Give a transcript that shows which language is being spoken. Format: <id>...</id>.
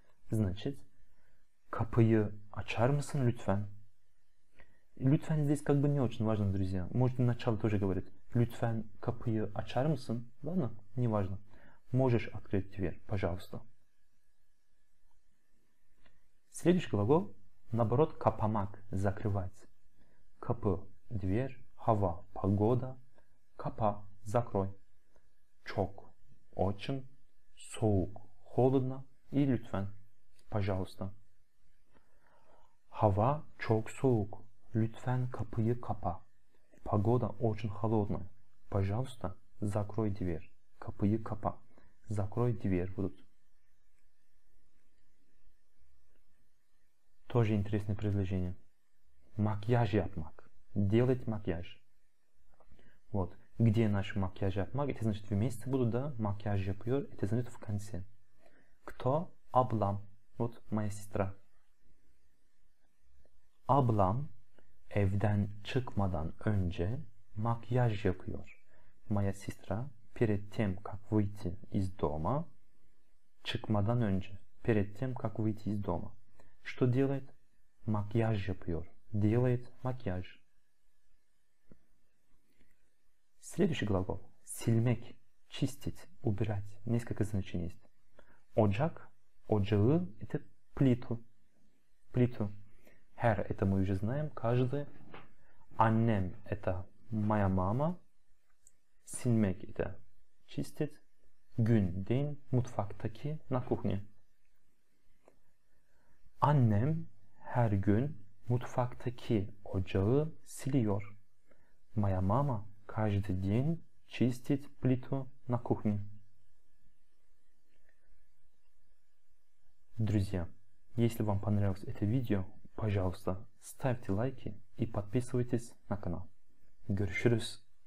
<ru>Значит,</ru> <tr>kapıyı açar mısın lütfen?</tr> <ru>Lütfen здесь как бы не очень важно, друзья. Можете начало тоже говорить.</ru> <tr>Lütfen kapıyı açar mısın?</tr> <ru>Ладно? Не важно. Можешь открыть дверь, пожалуйста. Следующий глагол, наоборот, kapamak, закрывать. Kapı, дверь, hava, погода, kapa, закрой. Çok, очень, soğuk, холодно и lütfen, пожалуйста.</ru> <tr>Hava çok soğuk, lütfen kapıyı kapa.</tr> <ru>Погода очень холодная, пожалуйста, закрой дверь,</ru> <tr>kapıyı kapa,</tr> <ru>закрой дверь будут. Тоже интересное предложение. Макияж yapmak, делать макияж. Вот. Где наш макияж yapmak? Это значит вместе буду, да? Макияж yapıyor. Это значит в конце. Кто? Аблам. Вот моя сестра.</ru> <tr>Аблам evden çıkmadan önce макияж yapıyor.</tr> <ru>Моя сестра перед тем, как выйти из дома,</ru> <tr>çıkmadan önce,</tr> <ru>перед тем, как выйти из дома. Что делает? Макияж yapıyor. Делает макияж. Следующий глагол – silmek, чистить, убирать. Несколько значений есть. Ocak, ocağı – это плиту. Плиту. Her – это мы уже знаем, каждый. Annem – это моя мама. Silmek – это чистить. Gün – день, mutfaktaki, на кухне.</ru> <tr>Annem her gün mutfaktaki ocağı siliyor.</tr> <ru>Моя мама – каждый день чистить плиту на кухне. Друзья, если вам понравилось это видео, пожалуйста, ставьте лайки и подписывайтесь на канал. Görüşürüz.</ru>